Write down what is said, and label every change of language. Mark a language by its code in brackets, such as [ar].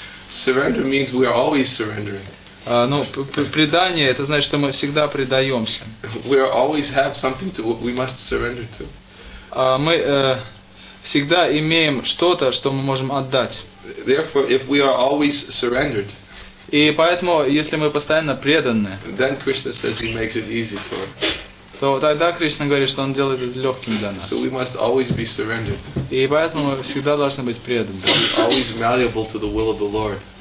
[en] Surrender means we are always surrendering. [ru] Предание — это значит, что мы всегда предаемся. [en] We are always have something to we must surrender to. [ru] Мы всегда имеем что-то, что мы можем отдать. [en] Therefore, if we are always surrendered. [ru] И поэтому, если мы постоянно преданы, [en] then Krishna says he makes it easy for us. [ru] То тогда Кришна говорит, что Он делает это легким для нас. [en] So we must always be surrendered. [ru] И поэтому мы всегда должны быть преданы. [en] We're always malleable to the will of the Lord.